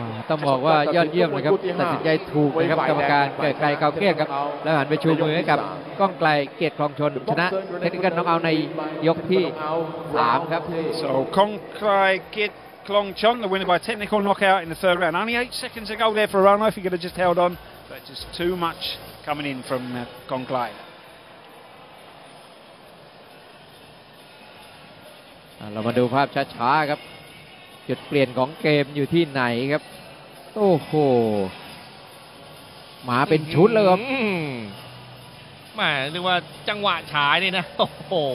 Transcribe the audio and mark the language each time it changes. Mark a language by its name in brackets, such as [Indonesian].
[Thai] ต้องบอกว่ายอดเยี่ยมนะครับตัดสินใจถูกนะครับกรรมการเกิดไกลเขาเกลี้ยงครับแล้วหันไปชูมือให้กับก้องไกลเกียรติคลองชนชนะเทคนิคน้องเอาในยกที่3ครับ [English] so Kong Kai Kiet Klong Chon the winner by technical knockout in the third round only 8 seconds ago there for Orono if he could have just held on but just too much coming in from Kong Kai. [Thai] เรามาดูภาพช้าๆครับจุดเปลี่ยนของเกมอยู่ที่ไหนครับโอ้โหมาเป็นชุดเลยครับ แหมเรียกว่าจังหวะฉายนี่นะโอ้โห